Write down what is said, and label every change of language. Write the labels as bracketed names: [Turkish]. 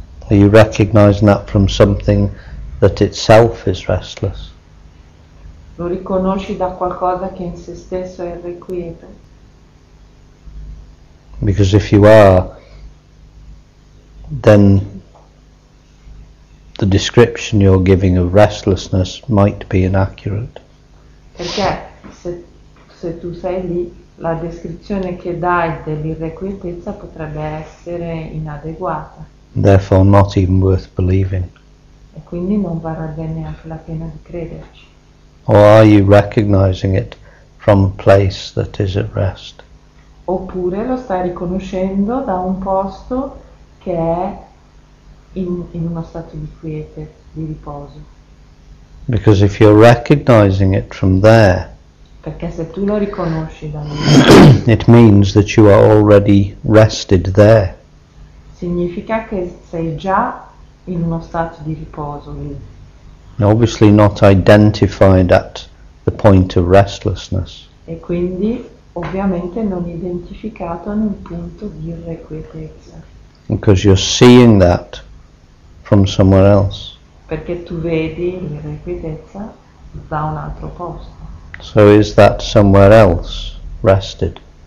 [English] Are you recognizing that from something that itself is restless? [Italian] Lo riconosci da qualcosa che in se stesso è irrequieto? [English] Because if you are, then the description you're giving of restlessness might be inaccurate. [Italian] Perché se tu sei lì, la descrizione che dai dell'irrequietezza potrebbe essere inadeguata. [English] Therefore not even worth believing. [Italian] E quindi non varrebbe neanche la pena di crederci. [English] Or are you recognizing it from a place that is at rest? [Italian] Oppure lo stai riconoscendo da un posto che è in uno stato di quiete, di riposo. [English] Because if you're recognizing it from there, [Italian] perché se tu lo riconosci da lì, [English] it means that you are already rested there. [Italian] Significa che sei già in uno stato di riposo lì. [English] Obviously not identified at the point of restlessness. [Italian] E quindi ovviamente non identificato nel punto di irrequietezza. [English] Because you're seeing that from somewhere else. [Italian] Perché tu vedi l'irrequietezza da un altro posto. [English] So is that somewhere else rested?